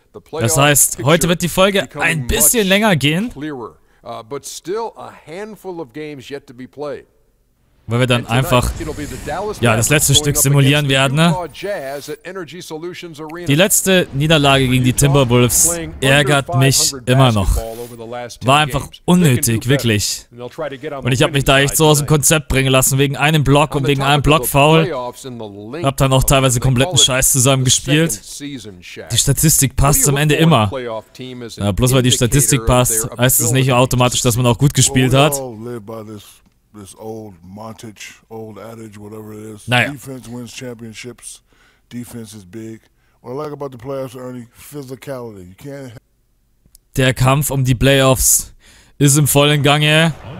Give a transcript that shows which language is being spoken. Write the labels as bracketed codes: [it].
[de] Das heißt, heute wird die Folge ein bisschen länger gehen. [en] But still a handful of games yet to be played. [de] Weil wir dann einfach ja, das letzte Stück simulieren werden. Ne? Die letzte Niederlage gegen die Timberwolves ärgert mich immer noch. War einfach unnötig, wirklich. Und ich habe mich da echt so aus dem Konzept bringen lassen, wegen einem Block und wegen einem Block-Foul. Hab dann auch teilweise kompletten Scheiß zusammen gespielt. Die Statistik passt am Ende immer. Ja, bloß weil die Statistik passt, heißt es nicht automatisch, dass man auch gut gespielt hat. [en] This old montage, old adage, whatever it is. [de] Naja. [en] Defense wins championships. Defense is big. What I like about the playoffs, Ernie, physicality. You can't. [de] Der Kampf um die Playoffs ist im vollen Gange.